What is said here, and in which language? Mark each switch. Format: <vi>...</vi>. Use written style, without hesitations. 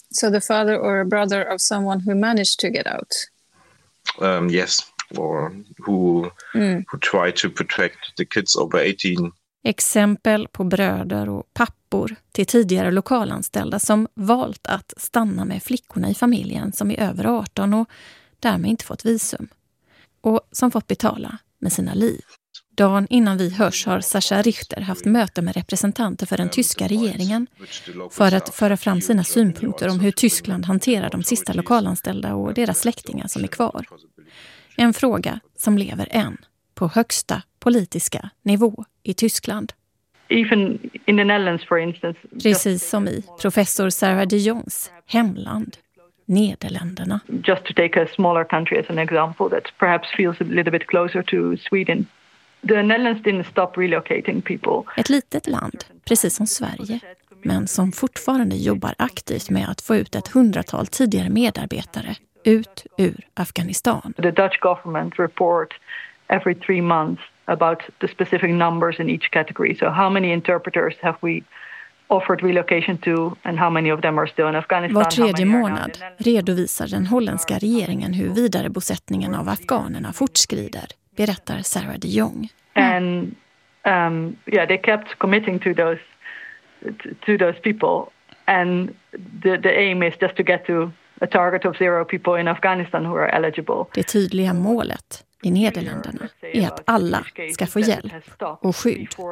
<en>So the father or a brother of someone who managed to get out. Yes, or who tried to protect the kids over 18.</en> <sv>Exempel på bröder och pappor till tidigare lokalanställda som valt att stanna med flickorna i familjen som är över 18 och därmed inte fått visum. Och som fått betala med sina liv. Dagen innan vi hörs har Sascha Richter haft möte med representanter för den tyska regeringen för att föra fram sina synpunkter om hur Tyskland hanterar de sista lokalanställda och deras släktingar som är kvar. En fråga som lever än på högsta politiska nivå i Tyskland.</sv> <en>Even in the Netherlands, for instance.</en> <sv>Precis som i professor Sarah de Jongs hemland, Nederländerna.</sv> <en>Just to take a smaller country as an example that perhaps feels a little bit closer to Sweden. The Netherlands didn't stop relocating people.</en> <sv>Ett litet land, precis som Sverige, men som fortfarande jobbar aktivt med att få ut ett hundratal tidigare medarbetare ut ur Afghanistan.</sv> <en>The Dutch government report every three months about the specific numbers in each category. So how many interpreters have we offered relocation to and how many of them are still in Afghanistan?</en> <sv>Var tredje månad redovisar den holländska regeringen hur vidarebosättningen av afghanerna fortskrider. berättar Sarah de Jong.</sv> <en>And yeah, they kept committing to those people, and the aim is just to get to a target of zero people in Afghanistan who are eligible.</en> <sv>Det tydliga målet i Nederländerna är att alla ska få hjälp och skydd.</sv>